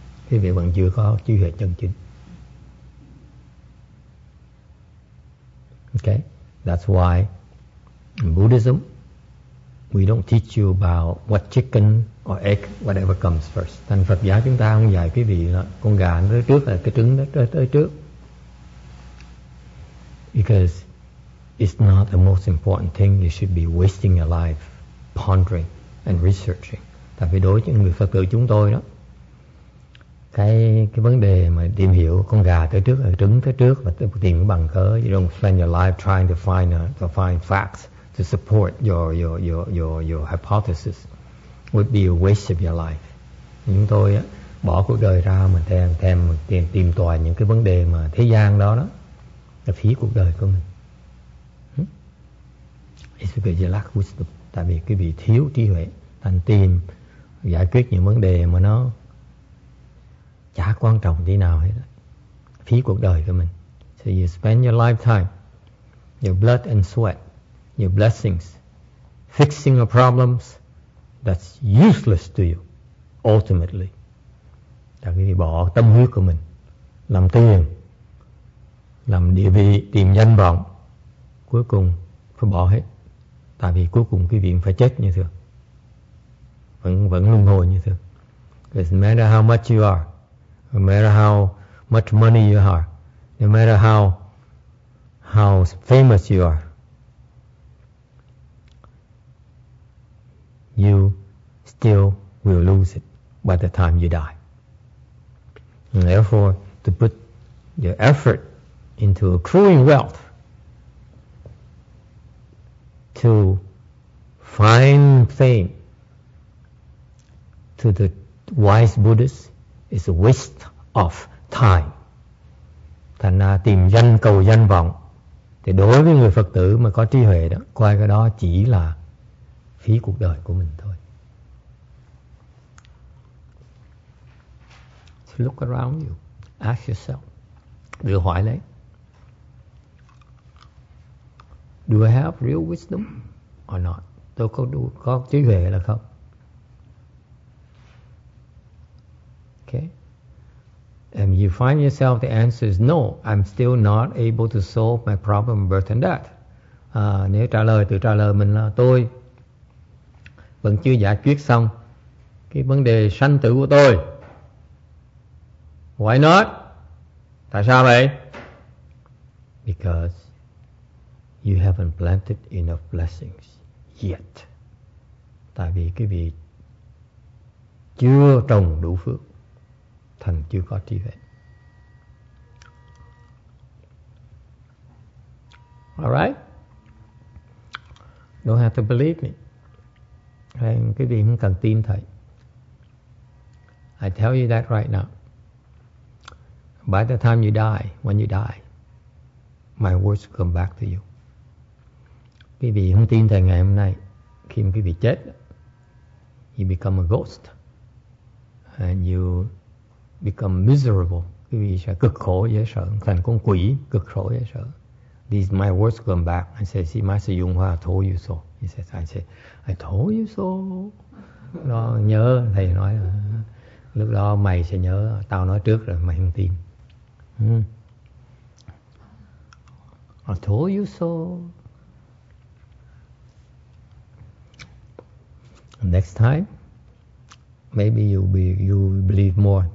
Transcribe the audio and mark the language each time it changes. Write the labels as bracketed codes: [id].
[vi] Quý vị vẫn chưa có trí huệ chân chính. [en] Okay, that's why in Buddhism, we don't teach you about what chicken or egg, whatever comes first. [vi] Thành Phật giáo chúng ta không dạy quý vị là con gà nó tới trước hay cái trứng nó tới trước. [en] Because it's not the most important thing you should be wasting your life pondering and researching. [vi] Tại vì đối với người Phật tử chúng tôi đó, cái vấn đề mà tìm hiểu con gà tới trước, trứng tới trước và tìm cái bằng cớ, [en] you don't spend your life trying to find facts to support your hypothesis, would be a waste of your life. [vi] Chúng tôi á, bỏ cuộc đời ra mình thèm tìm tòi những cái vấn đề mà thế gian đó. Là phí cuộc đời của mình. [en] It's because you lack wisdom. [vi] Tại vì quý vị thiếu trí huệ. Thành tìm giải quyết những vấn đề mà nó chả quan trọng tí nào hết. Phí cuộc đời của mình. [en] So you spend your lifetime, your blood and sweat, your blessings, fixing your problems that's useless to you, ultimately. [vi] Tại quý vị bỏ tâm huyết của mình, làm tiền, làm địa vị, tìm danh vọng, cuối cùng phải bỏ hết. Tại vì cuối cùng quý vị phải chết như thường, vẫn luân hồi như thường. [en] Because no matter how much you are, no matter how much money you are, no matter how famous you are, you still will lose it by the time you die. And therefore, to put your effort into accruing wealth, to find fame, to the wise Buddhist, is a waste of time. [vi] Thành ra tìm danh cầu danh vọng, thì đối với người Phật tử mà có trí huệ đó, coi cái đó chỉ là phí cuộc đời của mình thôi. [en] So look around you, ask yourself, [vi] tự hỏi lấy. [en] Do I have real wisdom or not? [vi] Tôi có trí huệ là không? [en] Okay. And you find yourself the answer is no, I'm still not able to solve my problem birth and death. [vi] Nếu trả lời, tự trả lời mình là tôi vẫn chưa giải quyết xong cái vấn đề sanh tử của tôi. [en] Why not? [vi] Tại sao vậy? [en] Because you haven't planted enough blessings yet. [vi] Tại vì quý vị chưa trồng đủ phước, thành chưa có trí huệ. [en] All right? Don't have to believe me. And [vi] quý vị không cần tin thầy. [en] I tell you that right now. By the time you die, when you die, my words will come back to you. [vi] Quý vị không tin thầy ngày hôm nay, khi mà quý vị chết, [en] you become a ghost and you become miserable. [vi] Quý vị sẽ cực khổ dễ sợ, thành con quỷ cực khổ dễ sợ. [en] These my words come back and say, see, Master Yung Hua, I told you so. He says, I told you so. [vi] nó nhớ, thầy nói là lúc đó mày sẽ nhớ, tao nói trước rồi mày không tin. [en] I told you so. Next time, maybe you believe more.